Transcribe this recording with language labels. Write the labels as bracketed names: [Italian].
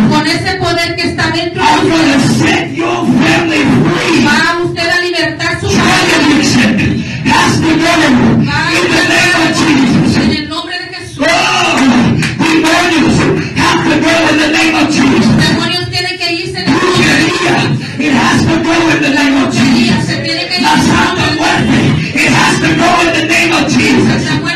[Spanish] con ese poder que está dentro [English] I'm going to set your family free. [Spanish] Va a usted a libertar su [English] family. Has to go in the name of Jesus. [Spanish] En el nombre de Jesús. [English] Oh, demonios have to go in the name of Jesus. [Spanish] Demonios tiene que irse en el nombre de Jesús. [English] It has to go in the name of Jesus. [Spanish] La santa muerte. [English] It has to go in the name of Jesus.